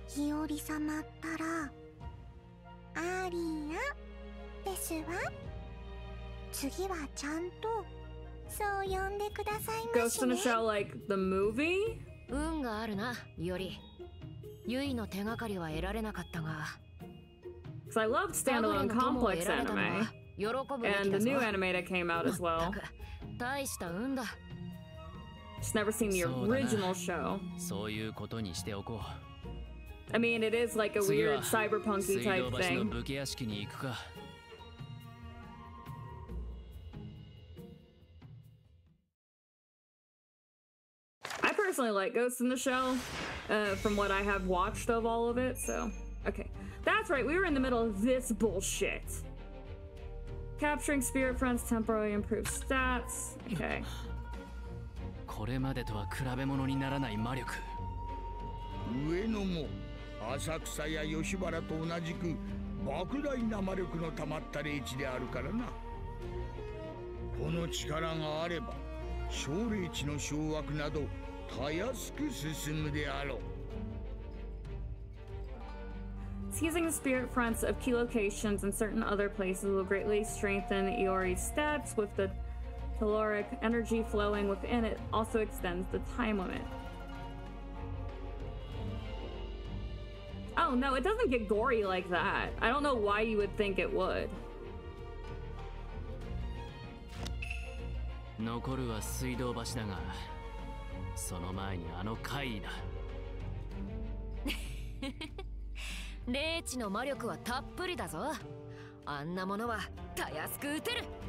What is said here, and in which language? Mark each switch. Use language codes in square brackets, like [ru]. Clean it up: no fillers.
[ja] もう、日和様ったら、アーリアですわ。次はちゃんと、そう呼んでくださいましね。 [en] Ghost in a Shell, like, the movie? [ja] 運があるな、より。ユイの手がかりは得られなかったが。 [en] Cause I loved standalone complex anime. And the new anime that came out as well. [ja] 大した運だ。 [en] Just never seen the original show. [ja] そういうことにしておこう。 [en] I mean, it is like a weird cyberpunky type thing. [ja] 次は水道橋の武家屋敷に行くか。 [en] I personally like Ghost in the Shell, from what I have watched of all of it. So, okay, that's right. We were in the middle of this bullshit. Capturing spirit friends temporarily improves stats. Okay. [ja] これまでとは比べ物にならない魔力。上野も浅草や吉原と同じく莫大な魔力の溜まった霊地であるからな。この力があれば小霊地の掌握などたやすく進むであろう。 [en] Seizing the spirit fronts of key locations and certain other places will greatly strengthen Iori's steps, with the telluric energy flowing within it also extends the time limit. Oh no, it doesn't get gory like that. I don't know why you would think it would. [ja] 残るは水道橋だが、その前にあの怪異だ。霊地の魔力はたっぷりだぞ。あんなものはたやすく撃てる。